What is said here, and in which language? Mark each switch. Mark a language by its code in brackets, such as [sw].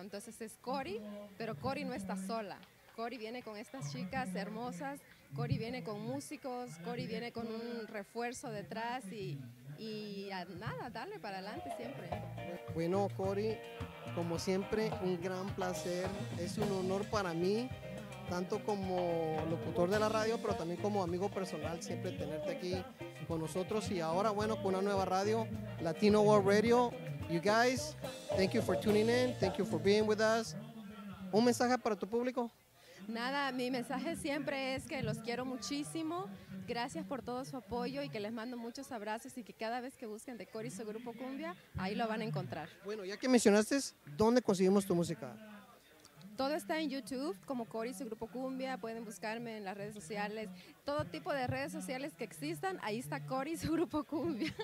[es] Entonces es Cori, pero Cori no está sola. Cori viene con estas chicas hermosas, Cori viene con músicos, Cori viene con un refuerzo detrás y nada, darle para adelante siempre. Bueno, Cori, como siempre, un gran placer, es un honor para mí, tanto como locutor de la radio, pero también como amigo personal, siempre tenerte aquí con nosotros. Y ahora, bueno, con una nueva radio, Latino World Radio. [en] You guys, thank you for tuning in, thank you for being with us. [es] ¿Un mensaje para tu público? Nada, mi mensaje siempre es que los quiero muchísimo, gracias por todo su apoyo y que les mando muchos abrazos y que cada vez que busquen de Cori su grupo Cumbia, ahí lo van a encontrar. Bueno, ya que mencionaste, ¿dónde conseguimos tu música? Todo está en YouTube, como Cori su grupo Cumbia, pueden buscarme en las redes sociales, todo tipo de redes sociales que existan, ahí está Cori su grupo Cumbia.